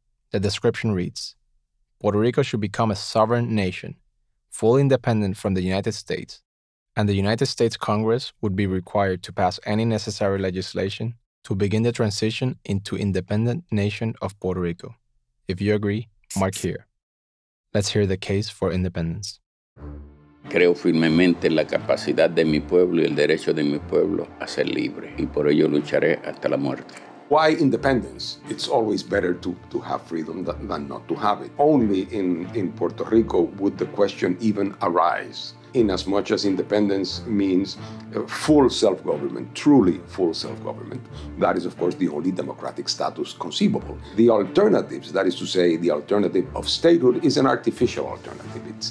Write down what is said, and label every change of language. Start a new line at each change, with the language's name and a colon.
English: The description reads, Puerto Rico should become a sovereign nation, fully independent from the United States, and the United States Congress would be required to pass any necessary legislation to begin the transition into independent nation of Puerto Rico. If you agree, mark here. Let's hear the case for independence.
Spanish: Creo firmemente en la capacidad de mi pueblo y el derecho de mi pueblo a ser libre, y por ello lucharé hasta la muerte.
English: Why independence? It's always better to have freedom than not to have it. Only in Puerto Rico would the question even arise, in as much as independence means full self-government, truly full self-government. That is, of course, the only democratic status conceivable. The alternatives, that is to say, the alternative of statehood, is an artificial alternative.